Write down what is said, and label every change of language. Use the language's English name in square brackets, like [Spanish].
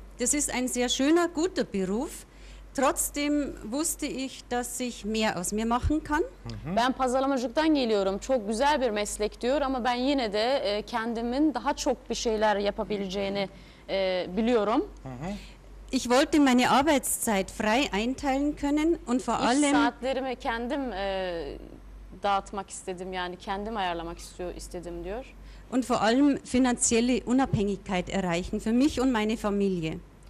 [German] Das ist ein sehr schöner, guter Beruf. Trotzdem wusste ich, dass ich mehr aus mir machen kann. [Turkish] Ben pazarlamacıktan geliyorum. Çok güzel bir meslek diyor ama ben yine de kendimin daha çok bir şeyler yapabileceğini biliyorum. [German] Ich wollte meine Arbeitszeit frei einteilen können und vor allem [Turkish] saatlerimi kendim dağıtmak istedim yani kendim ayarlamak istedim diyor. [German] Und vor allem finanzielle Unabhängigkeit erreichen für mich und meine Familie.